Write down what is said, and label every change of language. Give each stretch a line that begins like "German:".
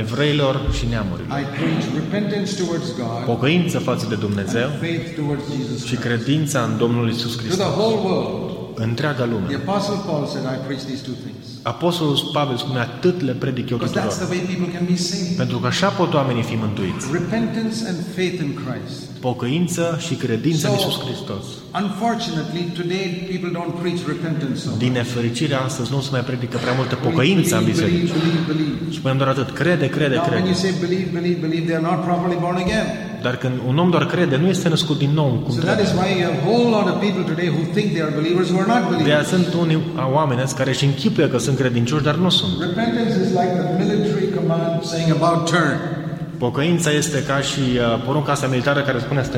Romanian: Evreilor și neamurilor.
English: I preach repentance towards God.
Romanian: Pocăință față de Dumnezeu.
English: Faith towards Jesus Christ.
Romanian: Și credința în Domnul Iisus Hristos.
English: To the whole world.
Romanian: Întreaga lume.
English: The Apostle Paul said, I preach these two things.
Romanian: Apostolul Pavel spune, atât le predic eu tuturor. Pentru că așa pot oamenii fi mântuiți.
English: Repentance and faith in Christ.
Romanian: Pocăință și credință în Iisus Hristos.
English: Unfortunately, today people don't preach repentance.
Romanian: Din nefericire, astăzi nu se mai predică prea multă pocăință în biserici. Spunem doar atât, crede.
English: When you say believe, they are not properly born again.
Romanian: Dar când un om doar crede, nu este născut din nou, cum trebuie.
English: So that is why a whole lot of people today who think they are believers who are not believers.
Romanian: De-aia sunt unii oameni care își închipuie că sunt credincioși, dar nu sunt.
English: Repentance is like the military command saying about turn.
Romanian: Pocăința este ca și porunca asta militară care spune să te